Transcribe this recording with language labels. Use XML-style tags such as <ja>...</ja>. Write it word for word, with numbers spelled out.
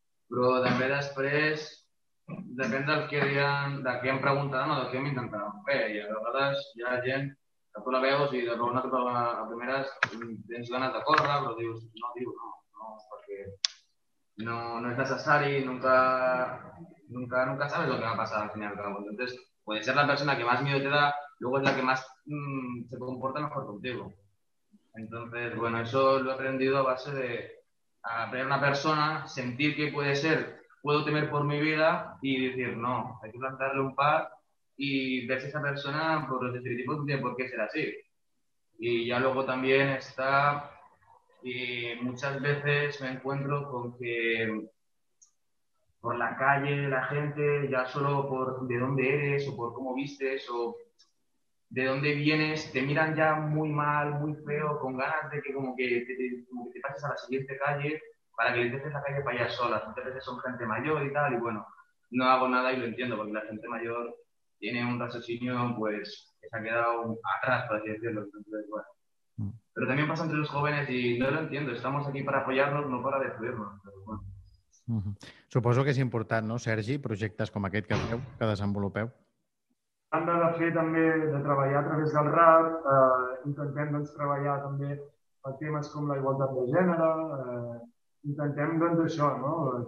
<ca>Però també després, depèn del que diran, de què em preguntaran o de què m'intentaran fer. I a vegades hi ha gent que tu la veus i de vegades a, la, a primeres tens ganes de córrer, però dius, no, diu, no, no, perquè no, no és necessari,</ca> <es>nunca, nunca, nunca sabes</es> <ca>el que va passar al final.</ca> <es>Entonces, puede ser la persona que más miedo te da, luego es la que más mmm, se comporta mejor contigo. Entonces, bueno, eso lo he aprendido a base de aprender a una persona, sentir que puede ser, puedo temer por mi vida y decir, no, hay que plantarle un par y ver si esa persona, por los estereotipos, no tiene por qué ser así. Y ya luego también está, y muchas veces me encuentro con que por la calle, la gente, ya solo por de dónde eres o por cómo vistes o de dónde vienes, te miran ya muy mal, muy feo, con ganas de que como que te, como que te pases a la siguiente calle para que dejes la calle para allá sola. Muchas veces son gente mayor y tal, y bueno, no hago nada y lo entiendo, porque la gente mayor tiene un raciocinio pues que se ha quedado atrás, por así decirlo. Entonces, bueno. Pero también pasa entre los jóvenes y no lo entiendo, estamos aquí para apoyarnos, no para destruirnos. Pero bueno. Uh-huh.</es> <ca>Suposo que és important, no, Sergi, projectes com aquest que feu, que desenvolupeu? Hem de fer també, de treballar a través del rap, eh, intentem doncs, treballar també temes com la igualtat de gènere, eh, intentem doncs, això, no?</ca>